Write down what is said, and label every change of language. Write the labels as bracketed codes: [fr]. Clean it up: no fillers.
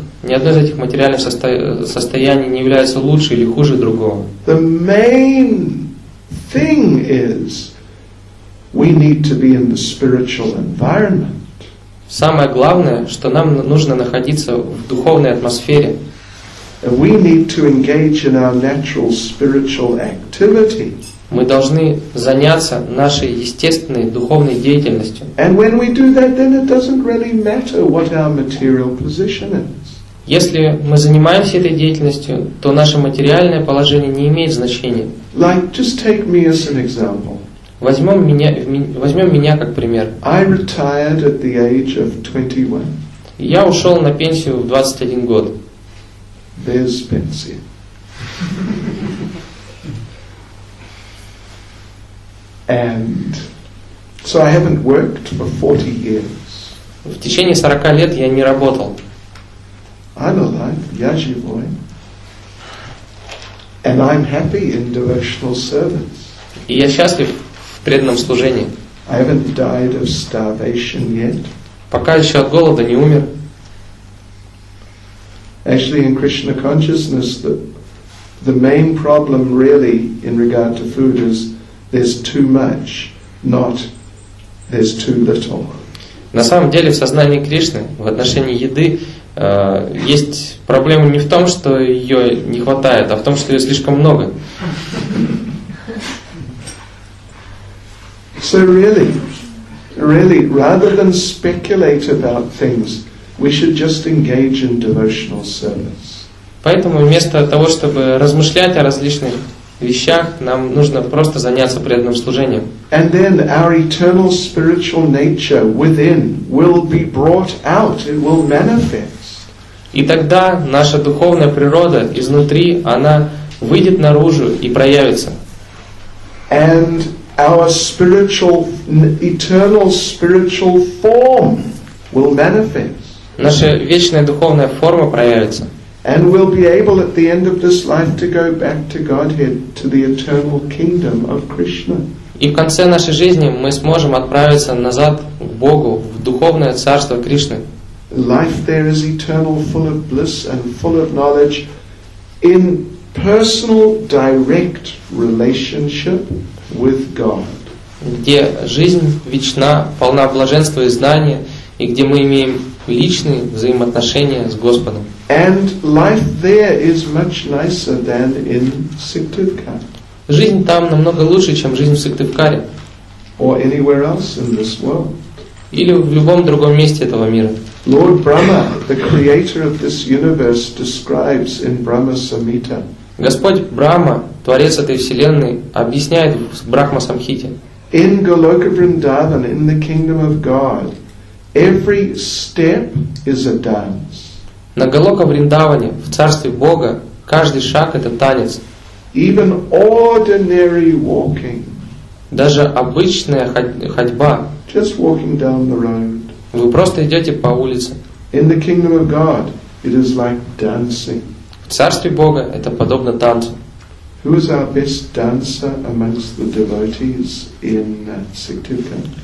[ru] Ни одно из этих материальных состояний не является лучше или хуже другого. [en] The main thing is we need to be in the spiritual environment. [ru] Самое главное, что нам нужно находиться в духовной атмосфере. [en] And we need to engage in our natural spiritual activity. [ru] Мы должны заняться нашей естественной духовной деятельностью. [en] And when we do that, then it doesn't really matter what our material position is. [ru] Если мы занимаемся этой деятельностью, то наше материальное положение не имеет значения. [en] Like, just take me as an example. [ru] Возьмем меня как пример. [en] I retired at the age of 21. [ru] Я ушел на пенсию в 21 год. Без пенсии. [en] And so I haven't worked for 40 years. [ru] В течение 40 лет я не работал. [en] I'm alive, [ru] я живой. [en] And I'm happy in devotional service. [ru] И я счастлив в преданном служении. [en] I haven't died of starvation yet. [ru] Пока еще от голода не умер. [en] Actually, in Krishna consciousness, the main problem really in regard to food is there's too much, not there's too little. [ru] На самом деле в сознании Кришны в отношении еды есть проблема не в том, что ее не хватает, а в том, что ее слишком много. [en] So really, really, rather than speculate about things, we should just engage in devotional service. [ru] Поэтому вместо того, чтобы размышлять о различных вещах, нам нужно просто заняться преданным служением. [en] And then our eternal spiritual nature within will be brought out, it will manifest. [ru] И тогда наша духовная природа изнутри, она выйдет наружу и проявится. [en] And our spiritual, eternal spiritual form will manifest. [ru] Наша вечная духовная форма проявится. [en] And we'll be able at the end of this life to go back to Godhead, to the eternal kingdom of Krishna. [ru] И в конце нашей жизни мы сможем отправиться назад к Богу, в духовное царство Кришны. [en] Life there is eternal, full of bliss and full of knowledge in personal direct relationship with God. [ru] Где жизнь вечна, полна блаженства и знания, и где мы имеем личные взаимоотношения с Господом. [en] And life there is much nicer than in Syktyvkar. [ru] Жизнь там намного лучше, чем жизнь в Сыктывкаре. [en] Or anywhere else in this world. [ru] Или в любом другом месте этого мира. [en] Lord Brahma, the creator of this universe, describes in Brahma Samhita. [ru] Господь Брахма, творец этой вселенной, объясняет в Брахма Самхите. [en] In Goloka Vrindavan, in the kingdom of God, every step is a dance. [ru] На Голока Вриндаване, в царстве Бога, каждый шаг — это танец. [en] Even ordinary walking. [ru] Даже обычная ходьба. [en] Just walking down the road. [ru] Вы просто идете по улице. [en] In the kingdom of God, it is like dancing. [ru] В царстве Бога это подобно танцу. [en] Who is our best dancer amongst the devotees in Syktyvkar?